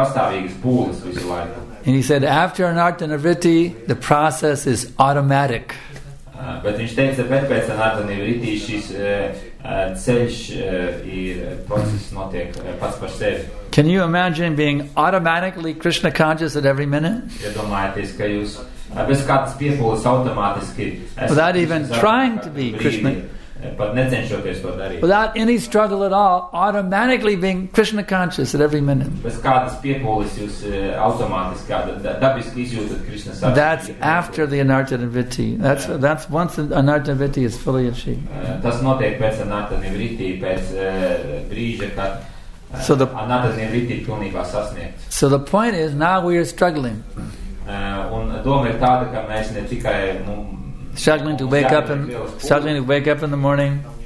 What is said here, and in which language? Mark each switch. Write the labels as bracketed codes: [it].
[en] And he said, after anarjana vritti, the process is automatic. [lv] But viņš teica, bet pēc anarjana vritti šis ceļš ir process notiek pats par sevi. [en] Can you imagine being automatically Krishna conscious at every minute? [lv] Iedomājieties, ka jūs bez kādas piepūles automātiski [en] without even trying to be Krishna. [lv] But necenšoties to darīt. [en] Without any struggle at all, automatically being Krishna conscious at every minute. [lv] Bez kādas piepūles jūs automātiski dabiski izjūtat Krishna sapni. [en] That's after the anarjana vritti. That's once anarjana vritti is fully achieved. [lv] Tas notiek pēc anarjana vritti, pēc brīža, kad anarjana vritti pilnībā sasniegts. [en] So the point is, now we are struggling. [lv] Un doma ir tāda, ka mēs ne tikai [en] struggling to wake up in the morning.